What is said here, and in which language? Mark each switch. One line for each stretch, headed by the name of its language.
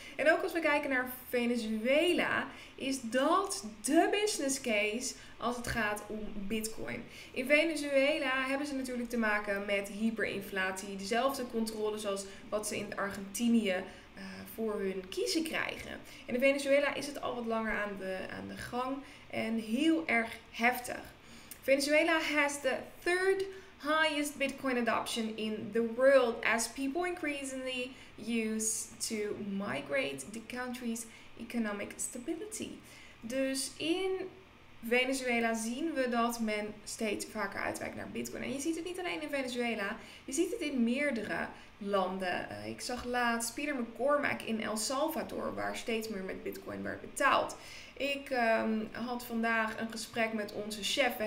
Dutch: En ook als we kijken naar Venezuela, is dat de business case als het gaat om Bitcoin. In Venezuela hebben ze natuurlijk te maken met hyperinflatie, dezelfde controle zoals wat ze in Argentinië voor hun kiezen krijgen. En in Venezuela is het al wat langer aan de gang en heel erg heftig.
English: Venezuela has the third highest Bitcoin adoption in the world as people increasingly use to migrate the country's economic stability.
Dutch: Dus in Venezuela zien we dat men steeds vaker uitwijkt naar Bitcoin. En je ziet het niet alleen in Venezuela, je ziet het in meerdere landen. Ik zag laatst Peter McCormack in El Salvador, waar steeds meer met Bitcoin werd betaald. Ik had vandaag een gesprek met onze chef.